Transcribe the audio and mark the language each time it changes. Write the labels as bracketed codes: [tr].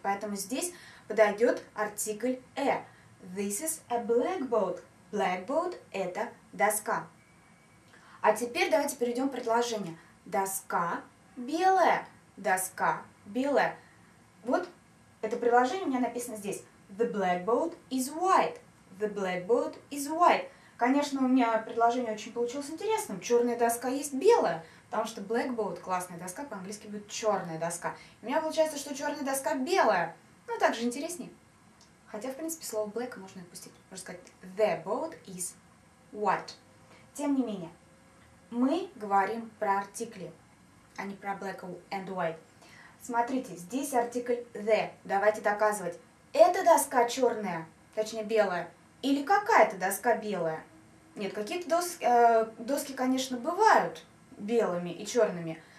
[ru] Поэтому здесь подойдет артикль «э». This is a blackboard. Blackboard – это доска. А теперь давайте перейдем к предложению. Доска белая. Доска белая. Вот это предложение у меня написано здесь. [en] The blackboard is white. The blackboard is white. [ru] Конечно, у меня предложение очень получилось интересным. Черная доска есть белая. Потому что blackboard – классная доска. По-английски будет черная доска. У меня получается, что черная доска белая. Ну, так же интереснее. Хотя, в принципе, слово black можно отпустить. [en] Можно сказать the board is white. [ru] Тем не менее, мы говорим про артикли, а не про black and white. Смотрите, здесь артикль the. Давайте доказывать. Это доска черная, точнее белая, или какая-то доска белая? Нет, какие-то доски, конечно, бывают белыми и черными.